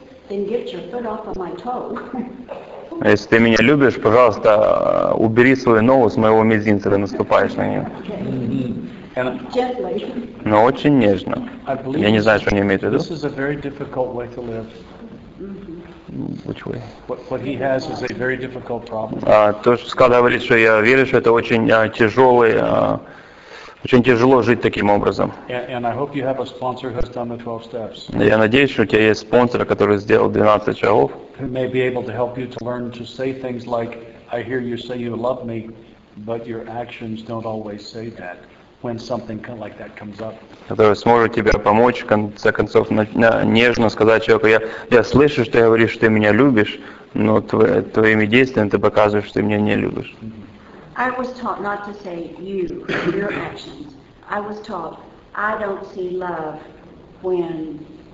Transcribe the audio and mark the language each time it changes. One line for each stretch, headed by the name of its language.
English: Then get your foot off of my toe.
Russian: Если ты меня любишь, пожалуйста, убери свою ногу с моего мизинца, ты наступаешь на нее.
English: Gently.
Russian: Но очень нежно. Я не знаю, что они имеют в виду.
English: This is a very difficult way to live. Which way? What he has is a very difficult problem.
Russian: То, что Скал говорит, что я верю, что это очень очень тяжело жить таким образом. Я надеюсь, что у тебя есть спонсор, который сделал 12 шагов.
English: Who may be able to help you to learn to say things like, I hear you say you love me, but your actions don't always say that when something like that comes up.
Russian: Который сможет тебе помочь, в конце концов, нежно сказать человеку, я слышу, что ты говоришь, что ты меня любишь, но твоими действиями ты показываешь, что ты меня не любишь. Mm-hmm.
English: I was taught not to say you, your actions. I was taught, I don't see love when...